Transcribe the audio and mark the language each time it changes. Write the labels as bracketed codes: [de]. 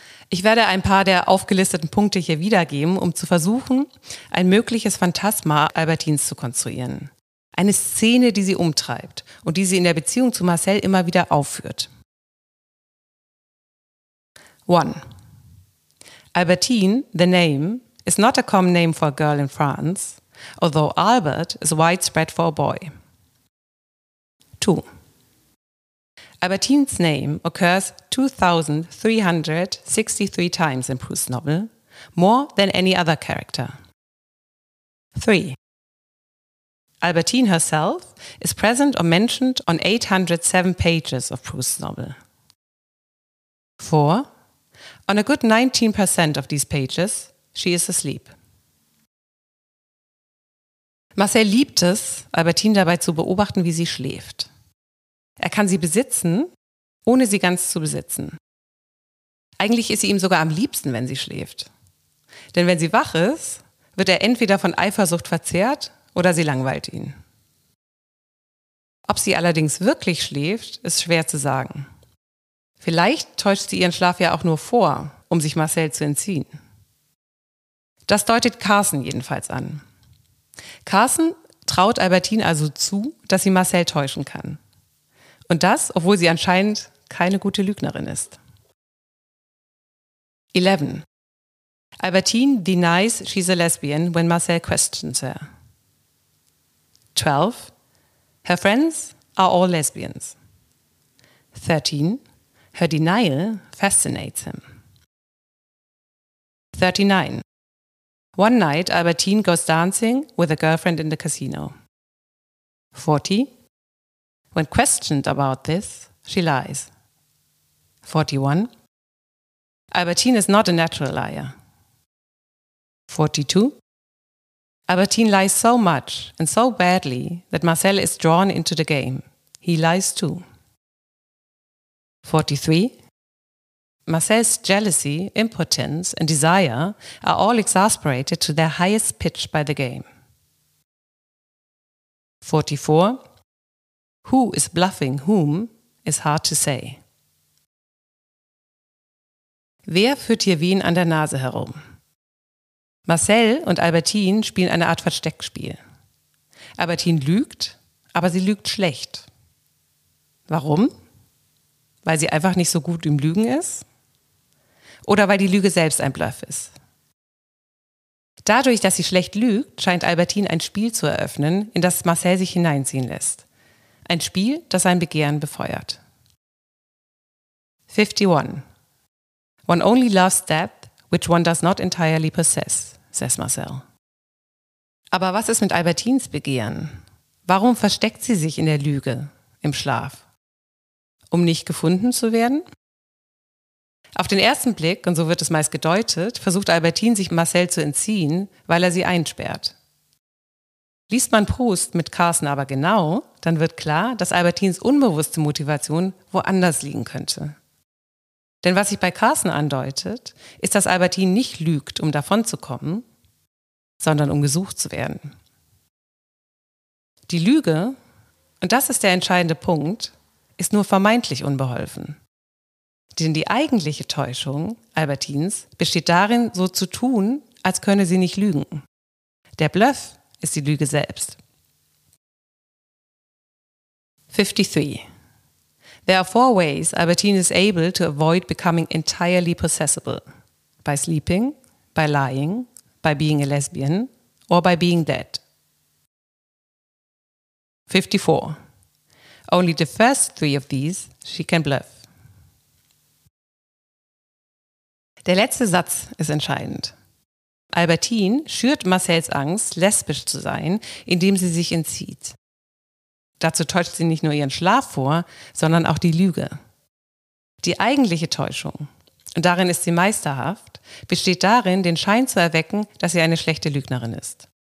[de] Ich werde ein paar der aufgelisteten Punkte hier wiedergeben, um zu versuchen, ein mögliches Phantasma Albertines zu konstruieren. Eine Szene, die sie umtreibt und die sie in der Beziehung zu Marcel immer wieder aufführt. 1. [en] Albertine, the name, is not a common name for a girl in France, although Albert is widespread for a boy. 2. Albertine's name occurs 2,363 times in Proust's novel, more than any other character. 3. Albertine herself is present or mentioned on 807 pages of Proust's novel. 4. On a good 19% of these pages, she is asleep. [de] Marcel liebt es, Albertine dabei zu beobachten, wie sie schläft. Er kann sie besitzen, ohne sie ganz zu besitzen. Eigentlich ist sie ihm sogar am liebsten, wenn sie schläft. Denn wenn sie wach ist, wird er entweder von Eifersucht verzehrt oder sie langweilt ihn. Ob sie allerdings wirklich schläft, ist schwer zu sagen. Vielleicht täuscht sie ihren Schlaf ja auch nur vor, um sich Marcel zu entziehen. Das deutet Carson jedenfalls an. Carson traut Albertine also zu, dass sie Marcel täuschen kann. Und das, obwohl sie anscheinend keine gute Lügnerin ist. 11. [en] Albertine denies she's a lesbian when Marcel questions her. 12. Her friends are all lesbians. 13. Her denial fascinates him. 39. One night Albertine goes dancing with a girlfriend in the casino. 40. When questioned about this, she lies. 41. Albertine is not a natural liar. 42. Albertine lies so much and so badly that Marcel is drawn into the game. He lies too. 43. Marcel's jealousy, impotence and desire are all exasperated to their highest pitch by the game. 44. Who is bluffing whom is hard to say. [de] Wer führt hier wen an der Nase herum? Marcel und Albertine spielen eine Art Versteckspiel. Albertine lügt, aber sie lügt schlecht. Warum? Weil sie einfach nicht so gut im Lügen ist? Oder weil die Lüge selbst ein Bluff ist? Dadurch, dass sie schlecht lügt, scheint Albertine ein Spiel zu eröffnen, in das Marcel sich hineinziehen lässt. Ein Spiel, das sein Begehren befeuert. 51. [en] One only loves that which one does not entirely possess, says Marcel. [de] Aber was ist mit Albertines Begehren? Warum versteckt sie sich in der Lüge, im Schlaf? Um nicht gefunden zu werden? Auf den ersten Blick, und so wird es meist gedeutet, versucht Albertine sich Marcel zu entziehen, weil er sie einsperrt. Liest man Proust mit Carson aber genau, dann wird klar, dass Albertines unbewusste Motivation woanders liegen könnte. Denn was sich bei Carsten andeutet, ist, dass Albertine nicht lügt, um davonzukommen, sondern um gesucht zu werden. Die Lüge, und das ist der entscheidende Punkt, ist nur vermeintlich unbeholfen. Denn die eigentliche Täuschung Albertines besteht darin, so zu tun, als könne sie nicht lügen. Der Bluff ist die Lüge selbst. 53. [en] There are four ways Albertine is able to avoid becoming entirely possessible. By sleeping, by lying, by being a lesbian, or by being dead. 54. Only the first three of these she can bluff. [de] Der letzte Satz ist entscheidend. Albertine schürt Marcells Angst, lesbisch zu sein, indem sie sich entzieht. Dazu täuscht sie nicht nur ihren Schlaf vor, sondern auch die Lüge. Die eigentliche Täuschung, und darin ist sie meisterhaft, besteht darin, den Schein zu erwecken, dass sie eine schlechte Lügnerin ist.